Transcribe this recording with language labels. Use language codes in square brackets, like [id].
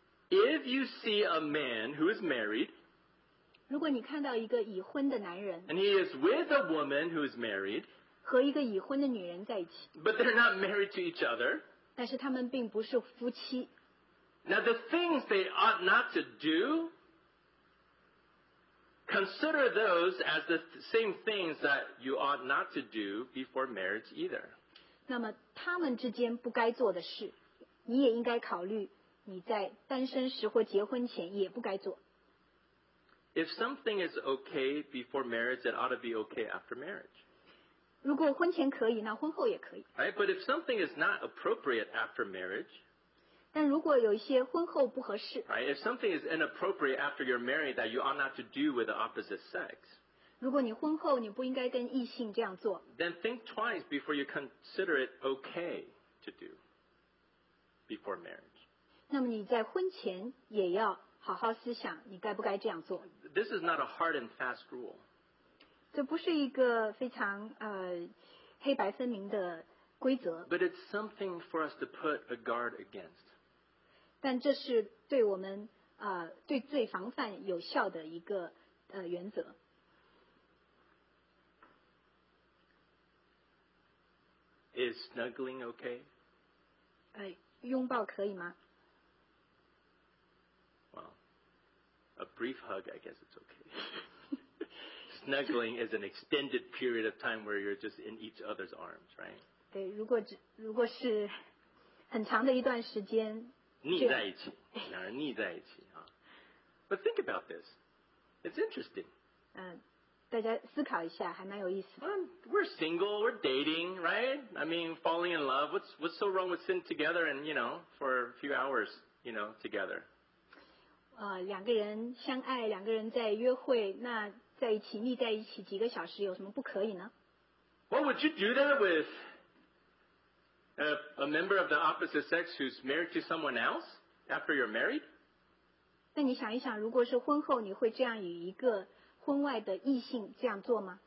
[en] If you see a man who is married, [zh] 如果你看到一个已婚的男人 [en] and he is with a woman who is married, [zh] 和一个已婚的女人在一起 [en] but they're not married to each other, [zh] 但是他们并不是夫妻。 [en] Now the things they ought not to do, consider those as the same things that you ought not to do before marriage either. [zh] 那么他们之间不该做的事，你也应该考虑你在单身时或结婚前也不该做。 [en] If something is okay before marriage, it ought to be okay after marriage. [zh] 如果婚前可以，那婚后也可以。 [en] Right, but if something is not appropriate after marriage, [zh] 但如果有一些婚后不合适。 [en] Right, if something is inappropriate after you're married that you ought not to do with the opposite sex. [zh] 如果你婚后你不应该跟异性这样做 [en] then think twice before you consider it okay to do before marriage. [zh] 那么你在婚前也要好好思想你该不该这样做。 [en] This is not a hard and fast rule. [zh] 这不是一个非常黑白分明的规则。 [en] But it's something for us to put a guard against. [zh] 但这是对我们对罪防范有效的一个原则。 [en] Is snuggling okay? [zh] 拥抱可以吗？ [en] Well, a brief hug, I guess it's okay. Snuggling is an extended period of time where you're just in each other's arms, right? [zh] 对，如果是很长的一段时间，腻在一起，两人腻在一起啊。 [en] But think about this. It's interesting. [zh] 大家思考一下，还蛮有意思的。 [en] We're single, we're dating, right? I mean, falling in love. What's so wrong with sitting together and, you know, for a few hours, you know, together? [zh] 两个人相爱，两个人在约会，那在一起腻在一起几个小时，有什么不可以呢？ [en] What would you do that with a member of the opposite sex who's married to someone else after you're married? [zh] 那你想一想，如果是婚后，你会这样与一个婚外的异性这样做吗？